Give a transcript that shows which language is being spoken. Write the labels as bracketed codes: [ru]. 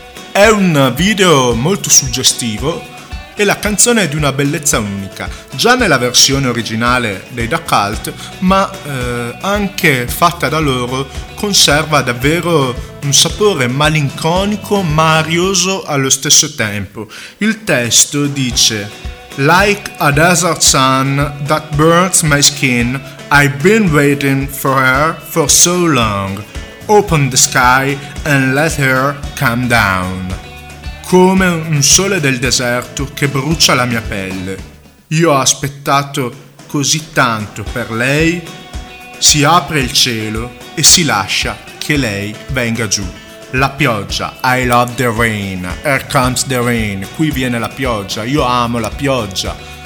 [it] È un video molto suggestivo e la canzone è di una bellezza unica, già nella versione originale dei Da Cult, ma anche fatta da loro conserva davvero un sapore malinconico ma arioso allo stesso tempo. Il testo dice: [en] "Like a desert sun that burns my skin, I've been waiting for her for so long. Open the sky and let her come down." [it] Come un sole del deserto che brucia la mia pelle. Io ho aspettato così tanto per lei. Si apre il cielo e si lascia che lei venga giù. La pioggia, [en] I love the rain, [it] here comes the rain, qui viene la pioggia, io amo la pioggia.